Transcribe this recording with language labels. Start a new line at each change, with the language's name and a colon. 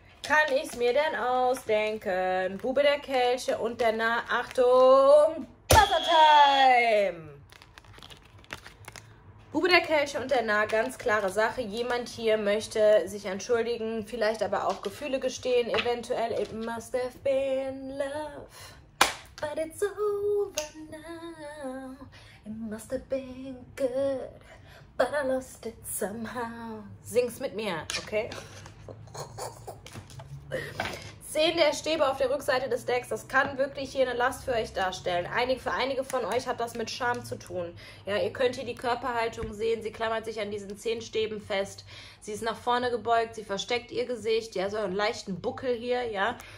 German: Kann ich es mir denn ausdenken? Bube der Kelche und der Na, Achtung, Buzzertime! Bube der Kelche und der Narr, ganz klare Sache. Jemand hier möchte sich entschuldigen, vielleicht aber auch Gefühle gestehen.
English: Eventuell, it must have been love, but it's over now. It must have been good, but I lost it somehow.
German: Sing's mit mir, okay? 10 der Stäbe auf der Rückseite des Decks, das kann wirklich hier eine Last für euch darstellen. Für einige von euch hat das mit Scham zu tun. Ja, ihr könnt hier die Körperhaltung sehen, sie klammert sich an diesen 10 Stäben fest. Sie ist nach vorne gebeugt, sie versteckt ihr Gesicht, ja, so einen leichten Buckel hier, ja.